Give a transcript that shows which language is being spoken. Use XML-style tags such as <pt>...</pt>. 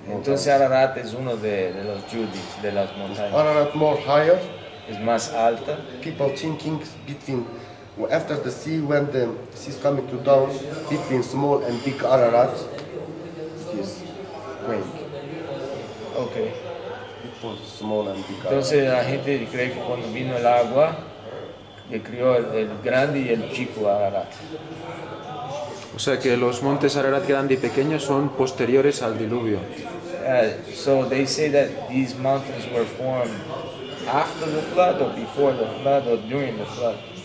<es>Entonces Ararat es uno de los Judy, de las montañas.</es> <en>Ararat more higher, is</en> <es>más alta.</es> <en>People thinking between after the sea, when the sea is coming to down, between small and big Ararat, is great. Okay. Between small and big.</en> <es>Entonces la gente cree que cuando vino el agua, le crió el grande y el chico Ararat. O sea que los montes Ararat grande y pequeño son posteriores al diluvio.</es> <en>So they say that these mountains were formed after the flood or before the flood or during the flood.</en>